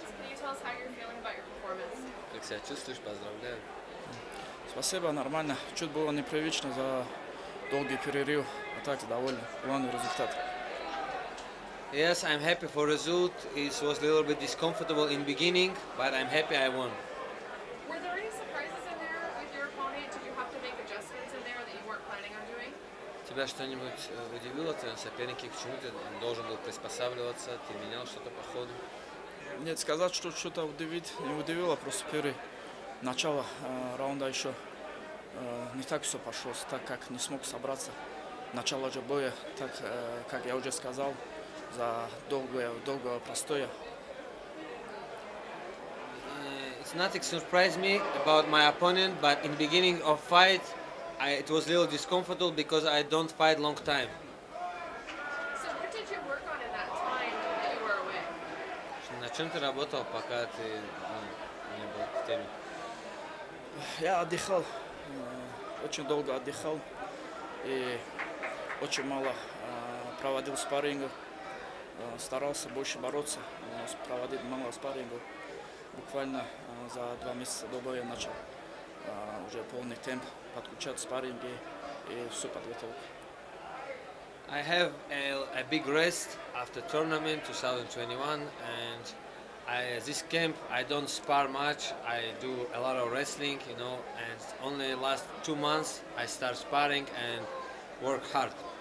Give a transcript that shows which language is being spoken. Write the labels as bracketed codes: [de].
[en] Can you tell us how you're feeling about your performance? [ru] Как себя чувствуешь? Поздравляю. Спасибо, нормально. Чуть было непривычно за долгий перерыв. А так, довольно. Главный результат. [en] Yes, I'm happy for result. It was a little bit discomfortable in beginning, but I'm happy I won. Were there any surprises in there with your opponent? Did you have to make adjustments in there that you weren't planning on doing? [ru] Тебя что-нибудь удивило? Твои соперники, к чему ты должен был приспосабливаться? Ты менял что-то по ходу? Нет, сказать, что что-то удивить не удивило, просто первый начало раунда еще не так все пошло, так как не смог собраться. Начало же боя, так как я уже сказал, за долгое простое. [en] It's nothing surprised me about my opponent, but in beginning of fight, it was a little discomfortable because I don't fight long time. So what did you work on in that time that you were away? [ru] На чем ты работал, пока ты не был в теме? Я отдыхал, очень долго отдыхал и очень мало проводил спаррингов. Старался больше бороться, проводить много спаррингов. Буквально за два месяца до боя начал уже полный темп подключать спарринги и всю подготовку. [en] I have a big rest after tournament 2021, and I this camp I don't spar much. I do a lot of wrestling, you know, and only last 2 months I start sparring and work hard.